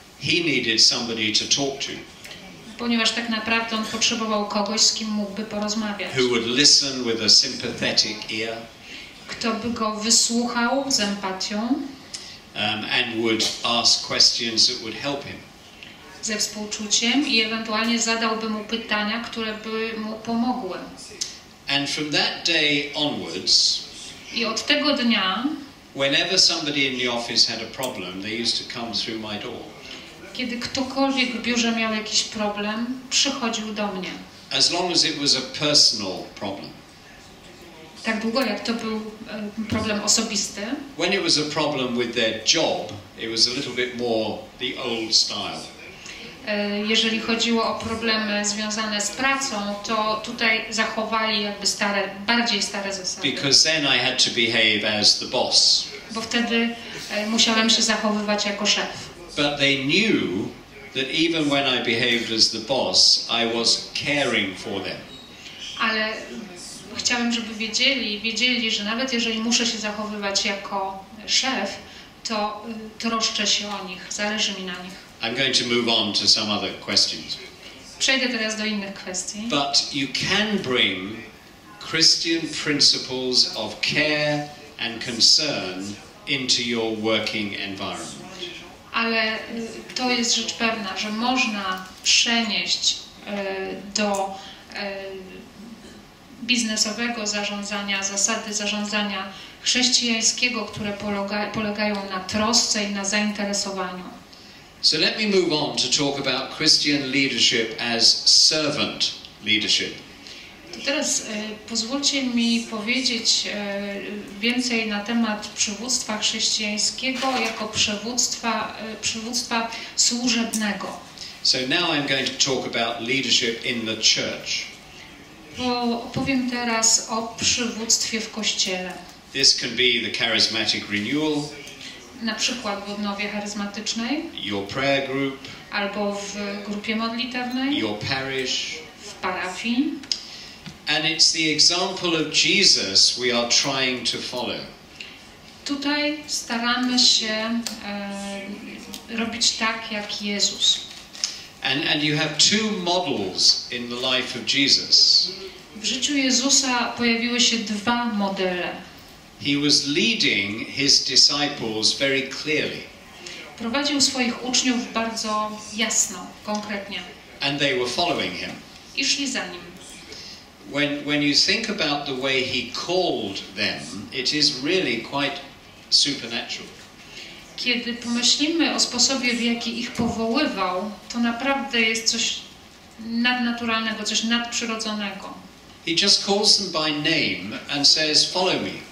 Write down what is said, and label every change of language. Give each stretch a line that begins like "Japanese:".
English: He needed somebody to talk to.
Polish: Ponieważ tak naprawdę on potrzebował kogoś, z kim mógłby porozmawiać.
English: Who would listen with a sympathetic ear.
Polish: Kto by go wysłuchał z empatią?
English: And would ask questions that would help him.
Polish: Ze współczuciem i ewentualnie zadałby mu pytania, które by mu pomogły.
English: And from that day onwards.
Polish: I od tego dnia.
English: Whenever somebody in the office had a problem, they used to come through my door.
Polish: Kiedy ktokolwiek w biurze miał jakiś problem, przychodził do mnie.
English: As long as it was a personal problem.
Polish: Tak długo, jak to był problem osobisty.
English: When it was a problem with their job, it was a little bit more the old style.
Polish: Jeżeli chodziło o problemy związane z pracą, to tutaj zachowali jakby stare, bardziej stare zasady.
English: Because then I had to behave as the boss.
Polish: Bo wtedy musiałem się zachowywać jako szef.
English: But they knew that even when I behaved as the boss, I was caring for them.
Polish: Ale chciałem, żeby wiedzieli, że nawet jeżeli muszę się zachowywać jako szef, to troszczę się o nich, zależy mi na nich.
English: I'm going to move on to some other questions.
Polish: Przejdę teraz do innych kwestii.
English: But you can bring Christian principles of care and concern into your working environment.
Polish: Ale to jest rzecz pewna, że można przenieść do biznesowego zarządzania, zasady zarządzania chrześcijańskiego, które polegają na trosce i na zainteresowaniu.
English: So let me move on to talk about Christian leadership as servant leadership.
Polish: Teraz pozwólcie mi powiedzieć więcej na temat przywództwa chrześcijańskiego jako przywództwa służebnego.
English: So now I'm going to talk about leadership in the church.
Polish: Bo opowiem teraz o przywództwie w Kościele.
English: This can be the charismatic renewal.
Polish: Na przykład w odnowie charyzmatycznej.
English: Your prayer group.
Polish: Albo w grupie modlitewnej.
English: Your parish.
Polish: W parafii.
English: And it's the example of Jesus we are trying to follow.
Polish: Tutaj staramy się robić tak jak Jezus.
English: And you have two models in the life of Jesus.
Polish: W życiu Jezusa pojawiły się dwa modele.
English: He was leading his disciples very clearly.
Polish: Prowadził swoich uczniów bardzo jasno, konkretnie.
English: And they were following him.
Polish: I szli za nim.
English: When you think about the way he called them, it is really quite supernatural.
Polish: Kiedy pomyślimy o sposobie, w jaki ich powoływał, to naprawdę jest coś nadnaturalnego, coś nadprzyrodzonego.
English: He just calls them by name and says, follow me.